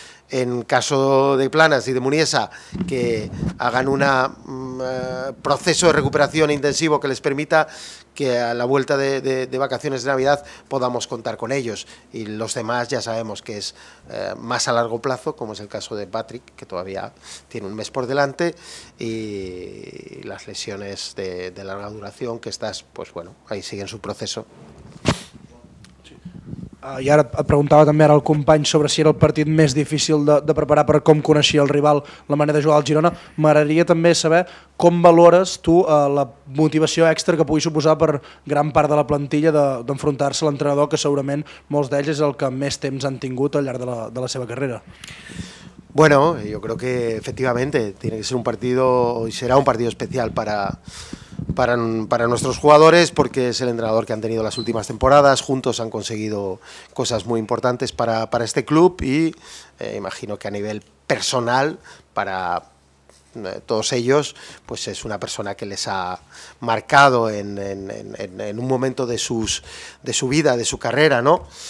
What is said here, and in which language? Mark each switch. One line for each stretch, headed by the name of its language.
Spanish: En caso de Planas y de Muniesa, que hagan un proceso de recuperación intensivo que les permita que a la vuelta de vacaciones de Navidad podamos contar con ellos. Y los demás ya sabemos que es más a largo plazo, como es el caso de Patrick, que todavía tiene un mes por delante, y las lesiones de larga duración, que estas, pues bueno, ahí siguen su proceso.
Catalan: I ara et preguntava també ara el company sobre si era el partit més difícil de preparar per com coneixia el rival, la manera de jugar al Girona. M'agradaria també saber com valores tu la motivació extra que pugui suposar per gran part de la plantilla d'enfrontar-se a l'entrenador, que segurament molts d'ells és el que més temps han tingut al llarg de la seva carrera.
Spanish: Bueno, yo creo que efectivamente tiene que ser un partido y será un partido especial para nuestros jugadores, porque es el entrenador que han tenido las últimas temporadas, juntos han conseguido cosas muy importantes para este club y imagino que a nivel personal para todos ellos, pues es una persona que les ha marcado en un momento de su vida, de su carrera, ¿no?